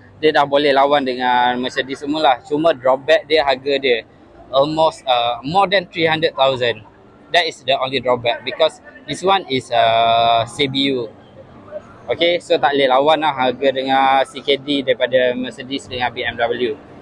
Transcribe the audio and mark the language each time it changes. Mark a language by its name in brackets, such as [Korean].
[Malay] Dia dah boleh lawan dengan Mercedes semula. Cuma drawback dia, harga dia [English] almost more than 300,000. That is the only drawback. Because this one is CBU. [Malay] Okay, so tak boleh lawan lah harga dengan CKD daripada Mercedes dengan BMW.